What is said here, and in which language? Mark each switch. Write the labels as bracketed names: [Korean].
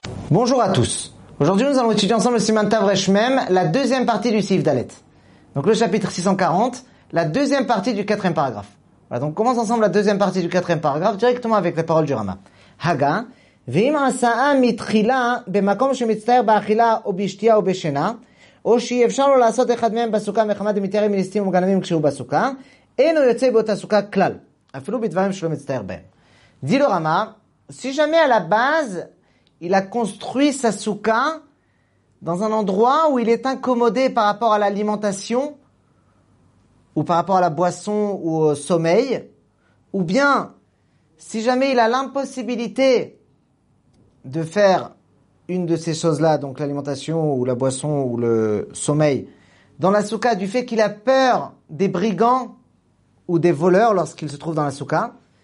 [French] Bonjour à tous. Aujourd'hui, nous allons étudier ensemble le Siman Tav Resh Mem, la deuxième partie du Sif Dalet. Donc le chapitre 640, la deuxième partie du quatrième paragraphe. Voilà, donc on commence ensemble la deuxième partie du quatrième paragraphe directement avec les paroles du Rama. [Hebrew] Haga, ואם עשה מתחילה במקום שמצטער באכילה או בשתייה או בשינה, או שאפשר לו לעשות אחד מהם בסוכה מחמת מתיירים מליסטים ומגנבים כשהוא בסוכה, אינו יוצא באותה סוכה כלל, אפילו בדברים שלא מצטער בהם. [French] דיל רמה, si jamais à la base, il a construit sa soukha dans un endroit où il est incommodé par rapport à l'alimentation, ou par rapport à la boisson ou au sommeil, ou bien, si jamais il a l'impossibilité de faire une de ces choses-là, donc l'alimentation ou la boisson ou le sommeil, dans la soukha, du fait qu'il a peur des brigands ou des voleurs lorsqu'il se trouve dans la soukha.